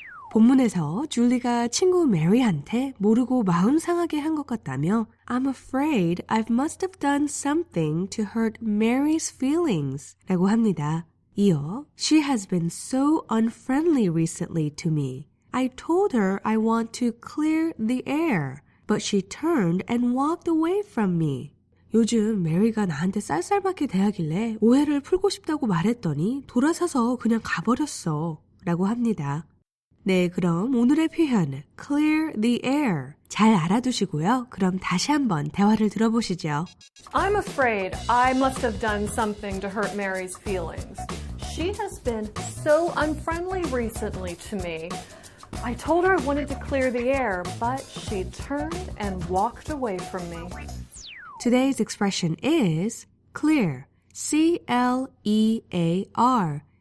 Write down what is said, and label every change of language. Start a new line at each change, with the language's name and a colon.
Korean: 본문에서 줄리가 친구 메리한테 모르고 마음 상하게 한 것 같다며
English: I'm afraid I must have done something to hurt Mary's feelings
Korean: 라고 합니다. 이어
English: She has been so unfriendly recently to me. I told her I want to clear the air, but she turned and walked away from me.
Korean: 요즘 메리가 나한테 쌀쌀맞게 대하길래 오해를 풀고 싶다고 말했더니 돌아서서 그냥 가버렸어 라고 합니다. 네, 그럼 오늘의 표현 clear the air 잘 알아두시고요. 그럼 다시 한번 대화를 들어보시죠.
English: I'm afraid I must have done something to hurt Mary's feelings. She has been so unfriendly recently to me. I told her I wanted to clear the air, but she turned and walked away from me. Today's expression is clear. C-L-E-A-R.